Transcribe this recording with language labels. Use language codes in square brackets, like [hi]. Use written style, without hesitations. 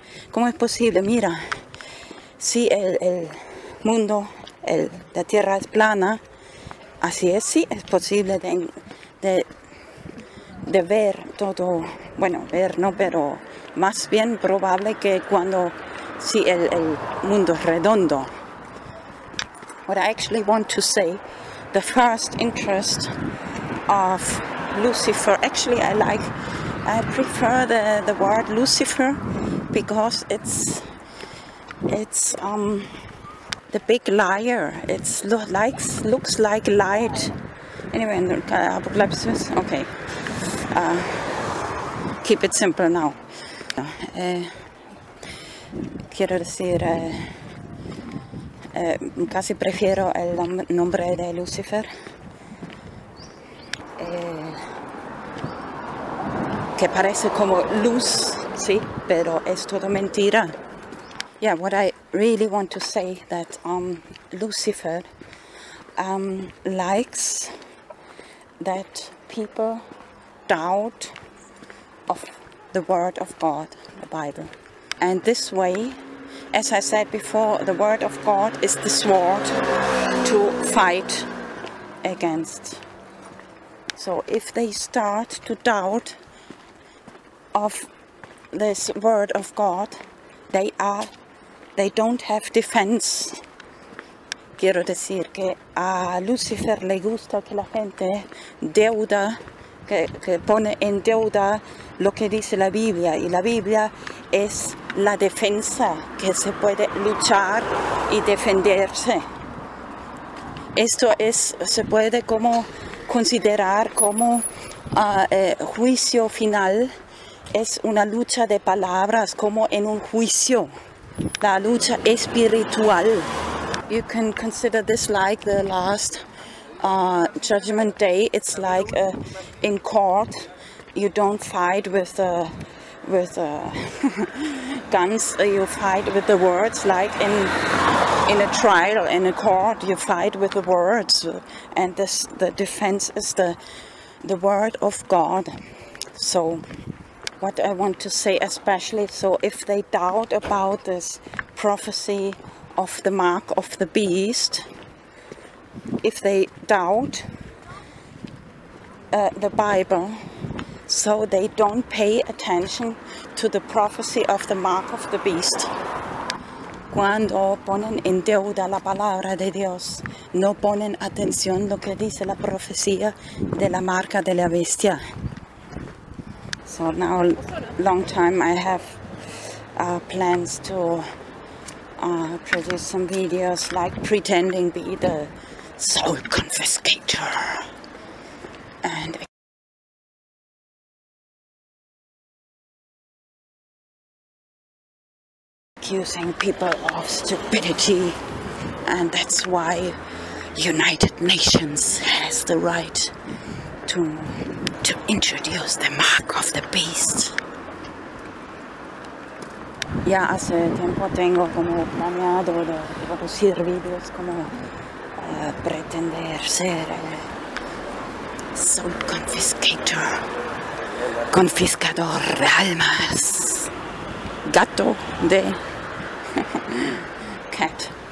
[es] ¿Cómo es posible? Mira, si el mundo, la tierra es plana. Así es, sí, es posible de ver todo, bueno, ver no, pero más bien probable que cuando, sí, el mundo es redondo. [en] What I actually want to say, the first interest of Lucifer, actually I prefer the word Lucifer because it's the big liar. It's looks like light. Anyway, apocalypsis. Okay. Keep it simple now. [es] Quiero decir, casi prefiero el nombre de Lucifer. Que parece como luz, sí, pero es todo mentira. [en] Yeah, what I really want to say that Lucifer likes that people doubt of the word of God, the Bible. And this way, as I said before, the word of God is the sword to fight against So if they start to doubt of this word of God, they don't have defense. [es] Quiero decir que a Lucifer le gusta que la gente deuda, que pone en deuda lo que dice la Biblia, y la Biblia es la defensa, que se puede luchar y defenderse. Esto es, se puede como considerar como juicio final, es una lucha de palabras, como en un juicio, la lucha espiritual. [en] You can consider this like the last judgment day. It's like in court, you don't fight with guns, you fight with the words, like in a trial, in a court, you fight with the words, and this, the defense is the word of God. So what I want to say especially, so if they doubt about this prophecy of the mark of the beast, if they doubt the Bible, so they don't pay attention to the prophecy of the mark of the beast. [es] Cuando ponen en deuda la palabra de Dios, no ponen atención lo que dice la profecía de la marca de la bestia. [en] So now, long time I have plans to produce some videos like pretending be the soul confiscator. And accusing people of stupidity, and that's why United Nations has the right to introduce the mark of the beast. [es] Ya hace tiempo tengo como planeado de producir videos como pretender ser [en] soul confiscator, [es] confiscador de almas, gato de cat.